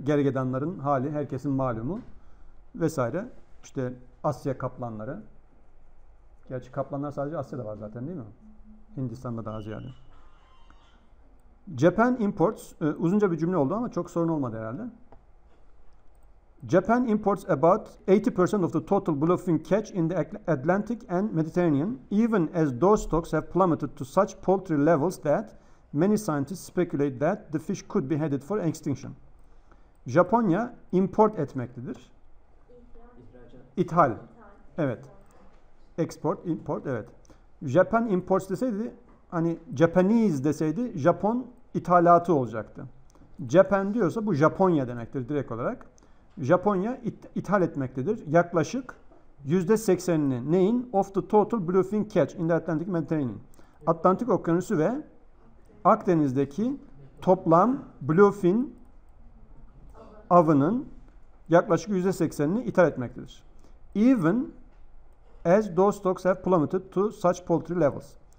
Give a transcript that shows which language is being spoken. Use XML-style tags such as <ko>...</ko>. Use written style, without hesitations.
<tr>Gergedanların hali herkesin malumu vesaire. İşte Asya kaplanları. Gerçi kaplanlar sadece Asya'da var zaten değil mi? Hindistan'da daha ziyade.</tr> <en>Japan imports,</en> <tr>uzunca bir cümle oldu ama çok sorun olmadı herhalde.</tr> <en>Japan imports about 80% of the total bluefin catch in the Atlantic and Mediterranean, even as those stocks have plummeted to such paltry levels that many scientists speculate that the fish could be headed for extinction.</en> <tr>Japonya import etmektedir. İthal. Evet. Export, import, evet.</tr> <en>Japan imports</en> <tr>deseydi, hani Japanese deseydi, Japon ithalatı olacaktı. Japan diyorsa bu Japonya demektir direkt olarak. Japonya ithal etmektedir. Yaklaşık %80'ini neyin?</tr> <en>Of the total bluefin catch in the Atlantic Mediterranean.</en> <tr>Atlantik Okyanusu ve Akdeniz'deki toplam bluefin avının yaklaşık %80'ini ithal etmektedir.</tr> <en>Even as those stocks have plummeted to such paltry levels.</en>